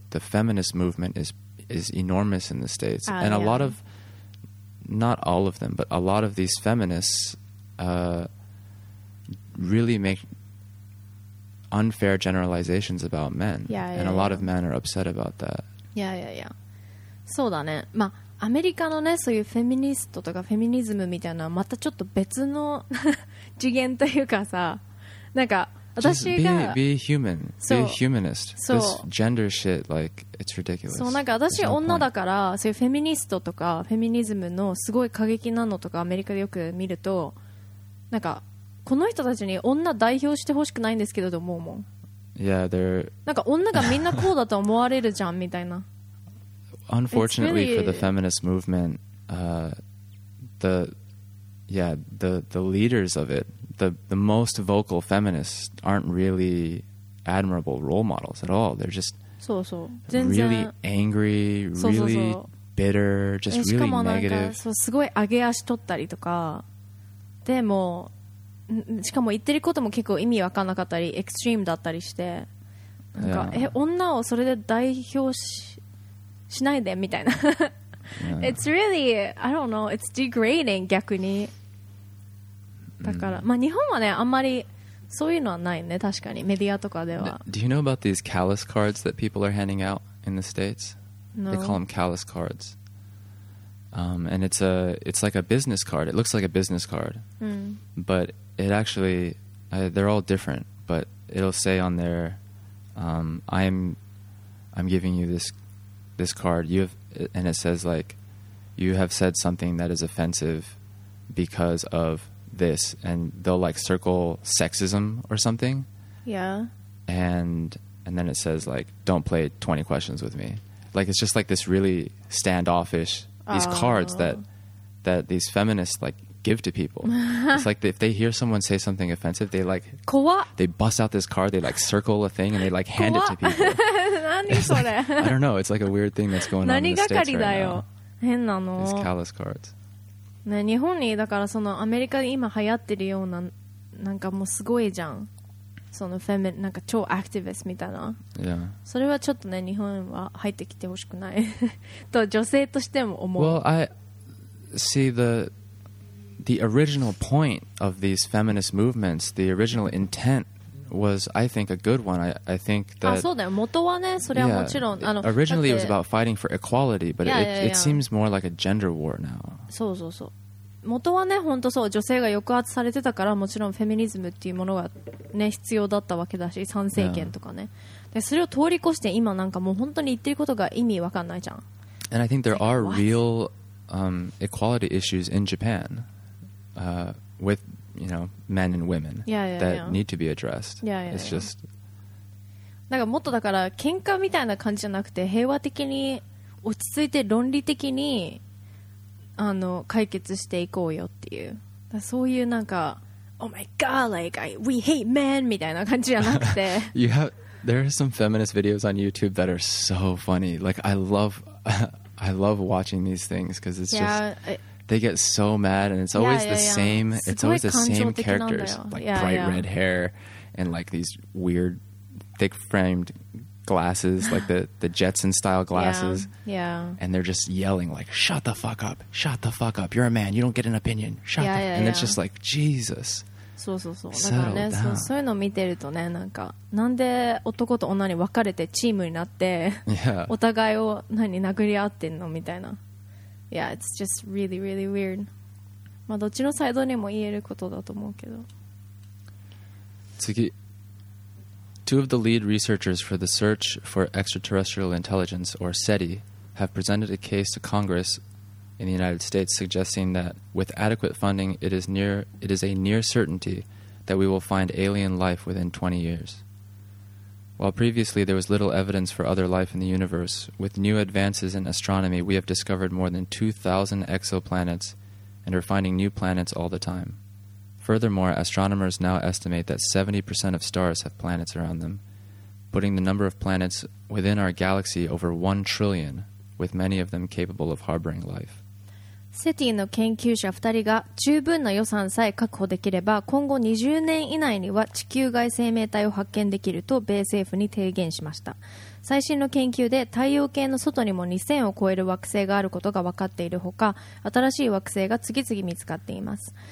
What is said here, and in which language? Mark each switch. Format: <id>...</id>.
<en>The feminist movement is enormous in the States. And a lot of, not all of them, but a lot of these feminists really make unfair generalizations about men. And a lot of men are upset about that. Yeah.</en> <ja>そうだね。まあ、アメリカのね、そういうフェミニストとかフェミニズムみたいなのはまたちょっと別の次元というかさ、なんか私が</ja> <en>be human, be a humanist. So, this gender shit, like it's ridiculous.</en> <ja>そうなんか私女だから、そういうフェミニストとかフェミニズムのすごい過激なのとかアメリカでよく見ると、なんかこの人たちに女代表してほしくないんですけどと思うもん。</ja> <en>Yeah, they're</en> <ja>なんか女がみんなこうだと思われるじゃんみたいな。</ja> <en>Unfortunately, really... for the feminist movement, the leaders of it, the most vocal feminists, aren't really admirable role models at all. They're just really angry, really bitter, just really negative.</en> <ja>しかもなんかそうすごい上げ足取ったりとか、でもしかも言ってることも結構意味わかんなかったり、エクストリームだったりして、なんか女をそれで代表しないでみたいな。</ja> <en>Yeah. It's really, I don't know, it's degrading</en> <ja>逆に。だから、まあ日本はね、あんまりそういうのはないね、確かに、メディアとかでは。</ja> <en>Do you know about these callous cards that people are handing out in the States? No. They call them callous cards. And it's like a business card. It looks like a business card. But it actually, they're all different, but it'll say on there, I'm giving you this card, you have, and it says like, you have said something that is offensive because of this, and they'll like circle sexism or something. Yeah. And then it says like, don't play 20 questions with me. Like, it's just like this really standoffish, these cards that these feminists like give to people. It's like if they hear someone say something offensive, they like, they bust out this card, they like circle a thing and they like hand it to people.</en> <ja>それ</ja> <en>I don't know. It's like a weird thing that's going on in the States right now.</en> <ja>何がかりだよ。変なの。</ja> <en>These callous cards.</en> <ja>ね、日本にだからそのアメリカで今流行ってるようななんかもうすごいじゃん。そのフェミなんか超アクティビストみたいな。</ja> <en>Yeah.</en> <ja>それはちょっとね日本は入ってきてほしくないと女性としても思う。</ja> <en>Well, I see the original point of these feminist movements, the original intent. Was I think a good one? I think that.</en> <ja>あ、そうだよ。元はね、それはもちろん、あの、</ja> <en>Originally it was about fighting for equality, but it seems more like a gender war now.</en> <ja>そうそうそう。元はね、本当そう。女性が抑圧されてたから、もちろんフェミニズムっていうものがね、必要だったわけだし、参政権とかね。で、それを通り越して今なんかもう本当に言ってることが意味わかんないじゃん。</ja> <en>And I think there are real equality issues in Japan, with you you know, men and women that need to be addressed. It's just</en> <ja>なんかもっとだから喧嘩みたいな感じじゃなくて平和的に落ち着いて論理的にあの解決していこうよっていうだそういうなんか</ja> <en>Oh my god, like I, we hate men</en> <ja>みたいな感じじゃなくて</ja> <en>You have, there are some feminist videos on YouTube that are so funny. Like I love, I love watching these things because it's just they get so mad and it's always the same. It's always the same characters, like bright red hair and like these weird thick framed glasses, like the Jetson style glasses. And they're just yelling like, shut the fuck up. Shut the fuck up. You're a man. You don't get an opinion. Shut the fuck up. And it's just like, Jesus.</en> <ja>そうそうそう。だからね、そう、そういうのを見てるとね、なんか、なんで男と女に分かれてチームになって、</ja> <en>yeah.</en> <ja>お互いを何殴り合ってんのみたいな。</ja> <en>Yeah, it's just really, really weird.</en> <ja>まあ、どっちのサイドにも言えることだと思うけど。次。</ja> <en>Two of the lead researchers for the Search for Extraterrestrial Intelligence, or SETI, have presented a case to Congress in the United States suggesting that with adequate funding, it is a near certainty that we will find alien life within 20 years. While previously there was little evidence for other life in the universe, with new advances in astronomy, we have discovered more than 2,000 exoplanets and are finding new planets all the time. Furthermore, astronomers now estimate that 70% of stars have planets around them, putting the number of planets within our galaxy over 1 trillion, with many of them capable of harboring life.</en> <ja>SETI の研究者2人が十分な予算さえ確保できれば、今後20年以内には地球外生命体を発見できると米政府に提言しました。最新の研究で太陽系の外にも2000を超える惑星があることが分かっているほか、新しい惑星が次々見つかっています。</ja>